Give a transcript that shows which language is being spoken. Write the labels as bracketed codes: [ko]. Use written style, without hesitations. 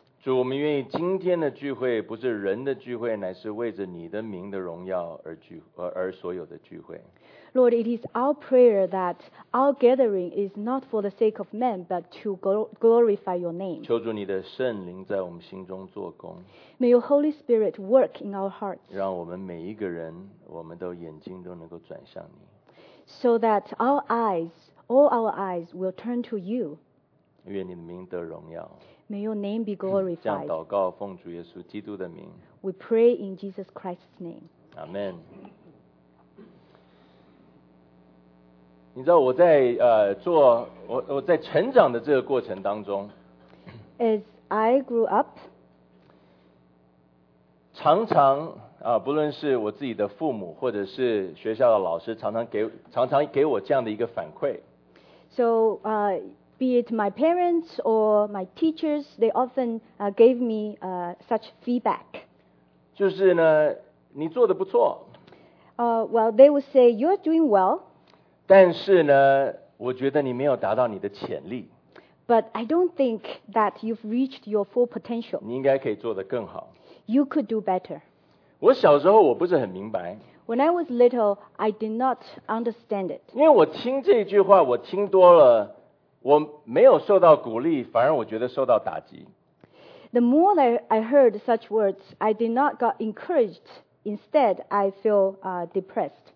[zh] 主，我们愿意今天的聚会不是人的聚会，乃是为着你的名的荣耀而所有的聚会。 [en] Lord, it is our prayer that our gathering is not for the sake of men, but to glorify your name. [zh] 求主你的圣灵在我们心中做工。 [en] May your Holy Spirit work in our hearts. [zh] 让我们每一个人，我们都眼睛都能够转向你。 [en] So that our eyes, all our eyes will turn to you. [zh] 愿你的名得荣耀。 [en] May your name be glorified. [zh] 这样祷告，奉主耶稣基督的名。 [en] We pray in Jesus Christ's name. Amen. [zh] 你知道我在做我在成长的这个过程当中 [en] ，As I grew up， [zh] 常常不论是我自己的父母或者是学校的老师，常常给我这样的一个反馈。 [en] So, be it my parents or my teachers, they often gave me such feedback. [zh] 就是呢，你做得不错。 [en] Well, they would say you're doing well. [zh] 但是呢，我觉得你没有达到你的潜力。 [en] But I don't think that you've reached your full potential. [zh] 你应该可以做得更好。 [en] You could do better. [zh] 我小时候我不是很明白。 [en] When I was little, I did not understand it. [zh] 因为我听这句话，我听多了，我没有受到鼓励，反而我觉得受到打击。 [en] The more that I heard such words, I did not get encouraged. Instead, I feel depressed.